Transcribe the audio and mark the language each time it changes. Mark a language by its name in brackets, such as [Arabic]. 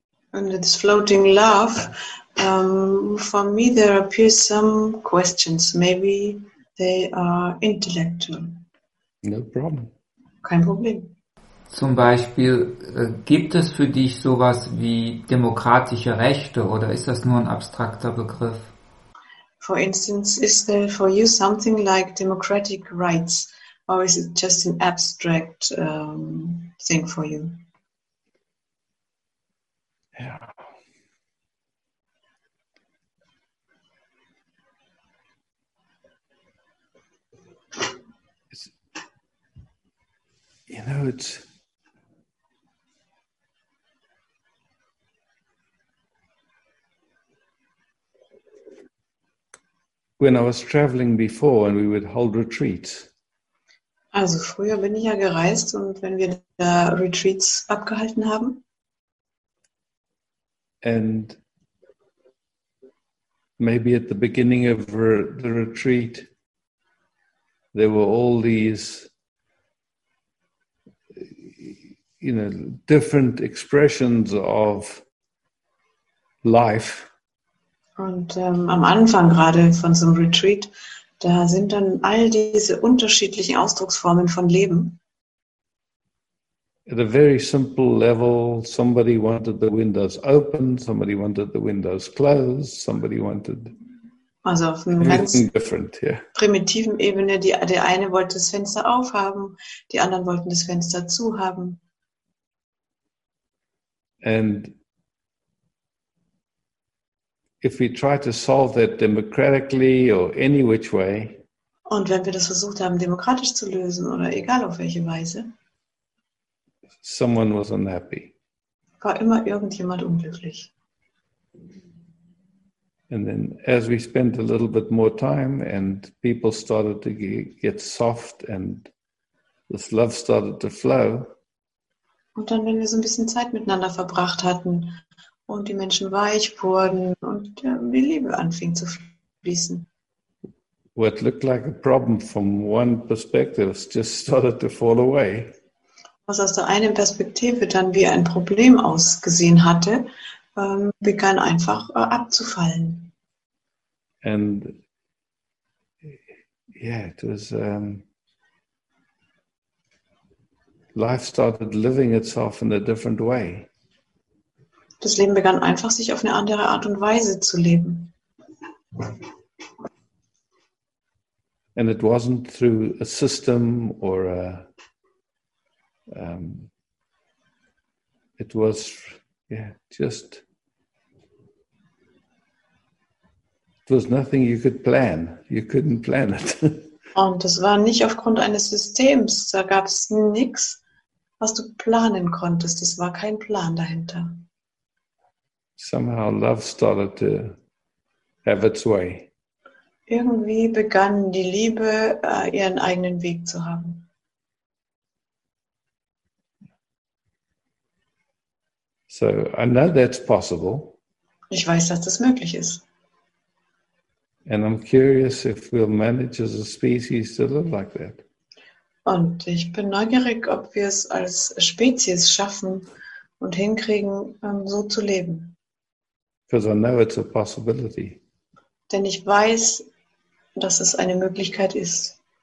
[English] And it's floating love. For me, there appear some questions. Maybe they are intellectual. No problem. [German] Kein Problem. zum Beispiel, gibt es für dich sowas wie demokratische Rechte oder ist das nur ein abstrakter Begriff? [English] For instance, is there for you something like democratic rights or is it just an abstract thing for you? Yeah. It's, you know, it's... When I was traveling before and we would hold retreats. [German] Also früher bin ich ja gereist und wenn wir da Retreats abgehalten haben. [English] And maybe at the beginning of the retreat, there were all these, you know, different expressions of life. [German] Und am Anfang gerade von so einem Retreat, da sind dann all diese unterschiedlichen Ausdrucksformen von Leben. [English] At a very simple level, somebody wanted the windows open, somebody wanted the windows closed, somebody wanted [German] also auf [English] anything different. Yeah. [German] Primitiven Ebene, der eine wollte das Fenster aufhaben, die anderen wollten das Fenster zu haben. [English] And if we try to solve that democratically or any which way, [German] und wenn wir das versucht haben, demokratisch zu lösen oder egal auf welche Weise, [English] someone was unhappy. [German] War immer irgendjemand unglücklich. [English] And then as we spent a little bit more time and people started to get soft and this love started to flow. [German] Und dann, wenn wir so ein bisschen Zeit miteinander verbracht hatten und die Menschen weich wurden und die Liebe anfing zu fließen. [English] What looked like a problem from one perspective just started to fall away. [German] Was aus der einen Perspektive dann wie ein Problem ausgesehen hatte, begann einfach abzufallen. [English] And yeah, it was life started living itself in a different way. [German] Das Leben begann einfach sich auf eine andere Art und Weise zu leben. [English] And it wasn't through a system or a it was, yeah, just, it was nothing you could plan. You couldn't plan it. [German] Und das war nicht aufgrund eines Systems. Da gab es nichts, was du planen konntest. Es war kein Plan dahinter. [English] Somehow love started to have its way. [German] Irgendwie begann die Liebe, ihren eigenen Weg zu haben. [English] So I know that's possible. [German] Ich weiß, dass das möglich ist. [English] And I'm curious if we'll manage as a species to live like that. [German] Und ich bin neugierig, ob wir es als Spezies schaffen und hinkriegen, so zu leben. [English] Because I know it's a possibility. [German] Denn ich weiß, dass es eine Möglichkeit ist.